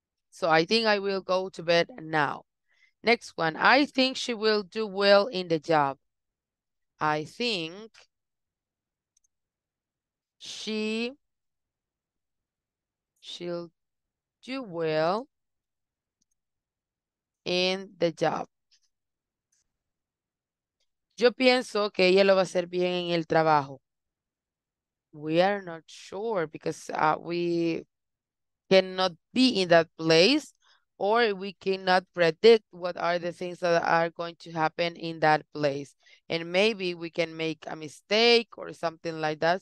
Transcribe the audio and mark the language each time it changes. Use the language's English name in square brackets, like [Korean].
[English] So I think I will go to bed now. Next one, I think she will do well in the job. I think she'll do well in the job. [Spanish] Yo pienso que ella lo va a hacer bien en el trabajo. [English] We are not sure because we cannot be in that place, or we cannot predict what are the things that are going to happen in that place. And maybe we can make a mistake or something like that.